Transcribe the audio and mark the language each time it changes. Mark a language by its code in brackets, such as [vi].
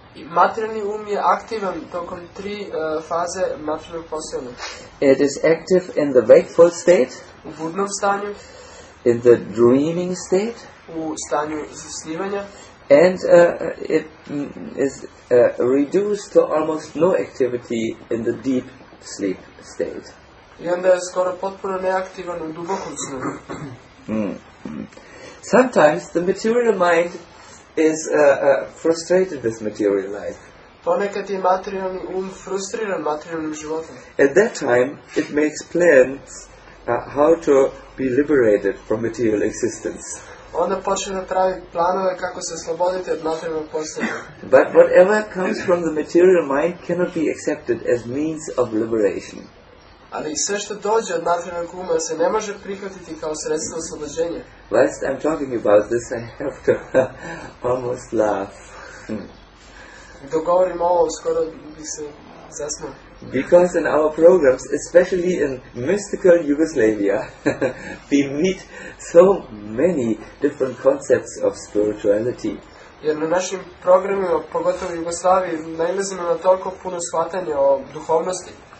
[sr] Materijalni um je aktivan tokom tri faze materijalnog postojanja. [en] It is active in the wakeful state. [sr] U budnom stanju. [en] In the dreaming state. [sr] U stanju zasnivanja. [en] And it is reduced to almost no activity in the deep sleep state. [sr] I onda je skoro potpuno neaktivan u dubokom snu. [en] Sometimes the material mind is frustrated with material life. [sr] Ponekad je materijalni um frustriran materijalnim životom. [en] At that time it makes plans how to be liberated from material existence. [sr] Onda počne da pravi planove kako se osloboditi od materijalnog postojanja. [en] But whatever comes from the material mind cannot be accepted as means of liberation. [sr] Ali sve što dođe od materijalnog uma se ne može prihvatiti kao sredstvo oslobođenja. [en] Whilst I'm talking about this, I have to almost laugh. [sr] Dok govorim ovo, skoro bi se zasmao. [en] Because in our programs, especially in mystical Yugoslavia, we meet so many different concepts of spirituality. [sr] Jer na našim programima, pogotovo u Jugoslaviji, nailazimo na toliko puno shvatanja o duhovnosti.